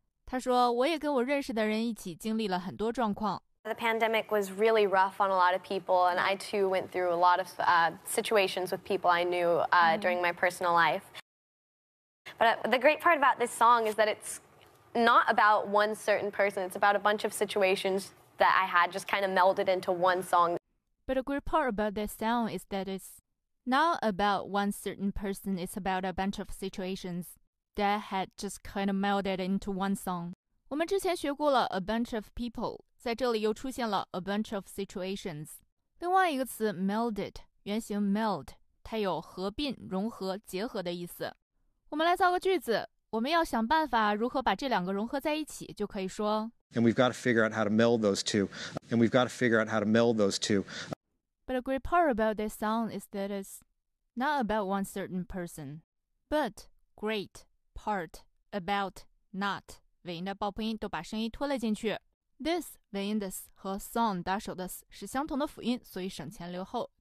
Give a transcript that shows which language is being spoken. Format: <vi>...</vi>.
<zh>他说我也跟我认识的人一起经历了很多状况。</zh> <en>The pandemic was really rough on a lot of people, and I too went through a lot of situations with people I knew during my personal life. But the great part about this song is that it's not about one certain person. It's about a bunch of situations that I had just kind of melded into one song. But a great part about this song is that it's not about one certain person. It's about a bunch of situations that had just kind of melded into one song.</en> <zh>我们之前学过了</zh> <en>a bunch of people.</en> <zh>在这里又出现了</zh> <en>a bunch of situations.</en> <zh>另外一个词 melded, 原型 meld, 它有合并、融合、结合的意思。我们来造个句子，我们要想办法如何把这两个融合在一起，就可以说</zh> <en>And we've got to figure out how to meld those two. And we've got to figure out how to meld those two. But a great part about this song is that it's not about one certain person. But great part about not.</en> <zh>尾音的爆破音都把声音拖了进去。This 尾音 this 和 song 打手的 s 是相同的辅音，所以省前留后。</zh>